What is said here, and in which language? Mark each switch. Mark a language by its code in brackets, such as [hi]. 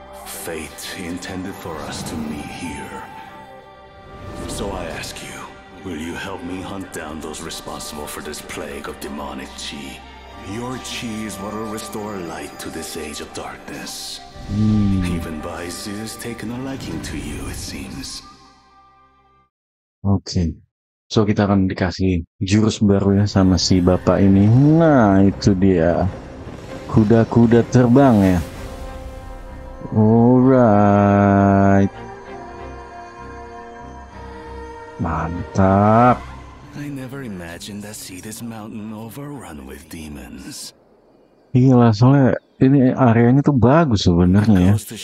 [en] Fate intended for us to meet here. So I ask you, will you help me hunt down those responsible for this plague of demonic qi? Your qi is what will restore light to this age of darkness. Even Baizi has taken a liking to you, it seems. Okay. [id] So kita akan dikasih jurus baru ya sama si bapak ini. Nah, itu dia. Kuda-kuda terbang ya. [en] Alright. [id] Mantap. [en] I never imagined to see this mountain overrun with demons. [id] Iyalah, soalnya ini areanya tuh bagus sebenarnya ya.